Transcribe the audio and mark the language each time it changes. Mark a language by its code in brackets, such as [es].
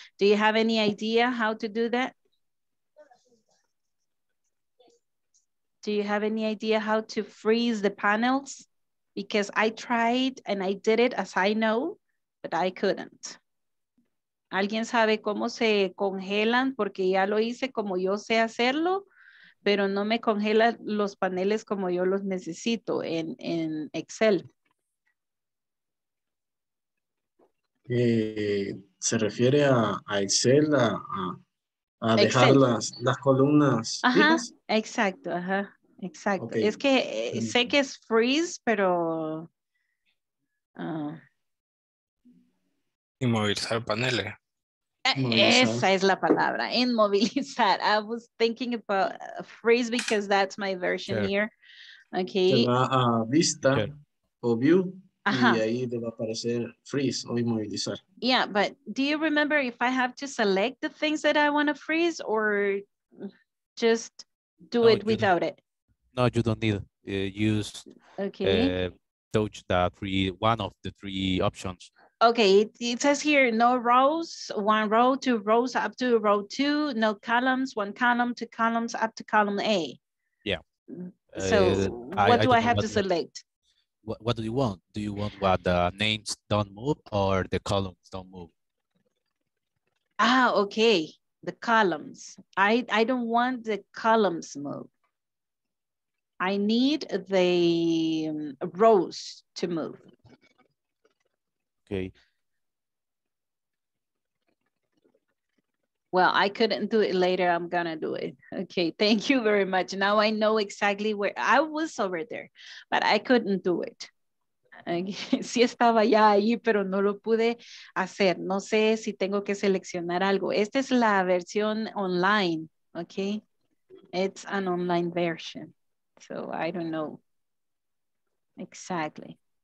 [en] Do you have any idea how to do that? Do you have any idea how to freeze the panels? Because I tried and I did it as I know, but I couldn't. [es] ¿Alguien sabe cómo se congelan? Porque ya lo hice como yo sé hacerlo, pero no me congela los paneles como yo los necesito en Excel. ¿Se refiere a Excel, a dejar Excel. Las columnas? Ajá, fijas? Exacto, ajá, exacto. Okay. Es que sé que es freeze, pero... Inmovilizar paneles. Esa es la palabra, inmovilizar. [en] I was thinking about a freeze because that's my version here. Okay. [es] Vista o view, y ahí le va a aparecer freeze o inmovilizar. [en] Yeah, but do you remember if I have to select the things that I want to freeze or just do it without it? No, you don't need use. Okay. Touch the three, one of the three options. Okay, it says here, no rows, one row, two rows, up to row two, no columns, one column, two columns, up to column A. Yeah. So what do I have to select? What do you want? Do you want what the names don't move or the columns don't move? Ah, okay, the columns. I don't want the columns move. I need the rows to move. Okay. Well, I couldn't do it later. I'm gonna do it. Okay, thank you very much. Now I know exactly where I was over there, but I couldn't do it. [es] Sí estaba ya ahí, pero no lo pude hacer. No sé si tengo que seleccionar algo. Esta es la versión online, okay? [en] It's an online version. So I don't know exactly.